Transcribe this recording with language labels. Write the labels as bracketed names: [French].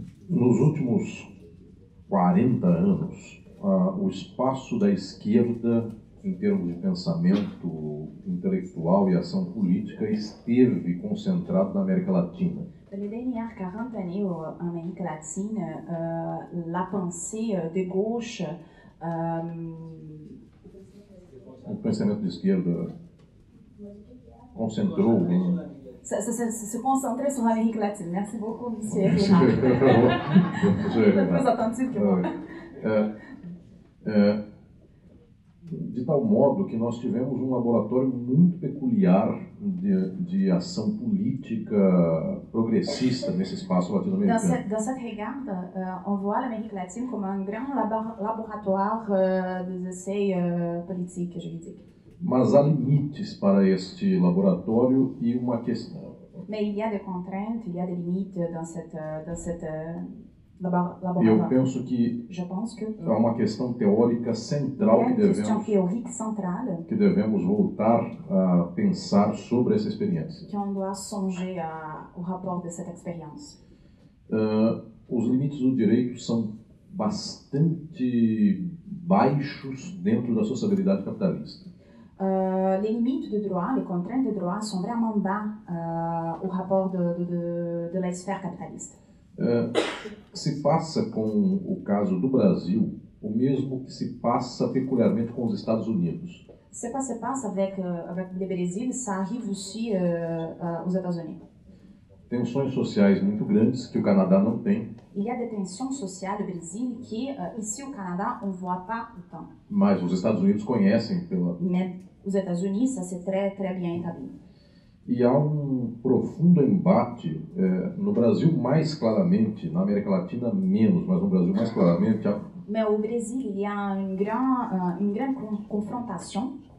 [Portuguese] Nos últimos 40 anos, o espaço da esquerda, em termos de pensamento intelectual e ação política, esteve concentrado na América Latina. [French] Les dernières 40 années en Amérique latine, la pensée de gauche. [Portuguese] O pensamento de esquerda concentrou. Se concentrou [French] sur l'Amérique latine. Merci beaucoup, monsieur. Vous êtes plus attentif que moi. [Portuguese] De tal modo que nós tivemos laboratório muito peculiar de ação política progressista nesse espaço latino-americano. [French] Dans cette regarde, on voit l'Amérique latine comme un grand laboratoire des essais politiques, je veux dire. [Portuguese] Mas há limites para este laboratório e uma questão. [French] Mais il y a des contraintes, il y a des limites dans cette [Portuguese] Eu penso que há uma questão teórica central que devemos voltar a pensar sobre essa experiência. [French] Que on doit songer au rapport de cette expérience. [Portuguese] Os limites do direito são bastante baixos dentro da sociabilidade capitalista. [French] Les limites de droit, les contraintes de droit sont vraiment bas au rapport de la sphère capitaliste. [Portuguese] Se passa com o caso do Brasil, o mesmo que se passa peculiarmente com os Estados Unidos. [French] C'est quoi se passe avec avec le Brésil, ça arrive aussi aux États-Unis. [Portuguese] Tensões sociais muito grandes que o Canadá não tem. [French] Il y a des tensions sociales au Brésil que ici au Canada on voit pas autant. [Portuguese] Mas os Estados Unidos conhecem pela. [French] Mais os Estados Unidos, ça c'est très très bien établi. [Portuguese] E há um profundo embate no Brasil mais claramente, na América Latina menos, mas no Brasil mais claramente há. [French] Mais au Brésil, il y a une grande confrontation